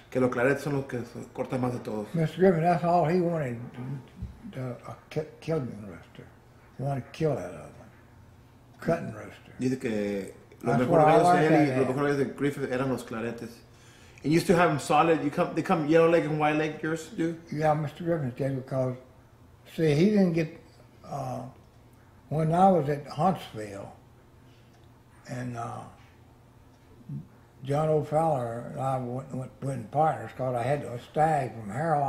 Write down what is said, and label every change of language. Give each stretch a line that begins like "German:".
Spanish: Que los clarets son los que cortan más de todos.
English: Mr. Griffin, that's all he wanted, a killing rooster. He wanted to kill that other one. Cutting rooster.
Spanish: Dice que los mejores gallos de él y los mejores gallos de Griffin eran los claretes.
English: And you still have them solid? They come yellow leg and white leg, yours do? Yeah, Mr. Griffin's dead because, see, he didn't get, when I was at Huntsville, and John O'Fowler and I went in partners because I had a stag from Harrell.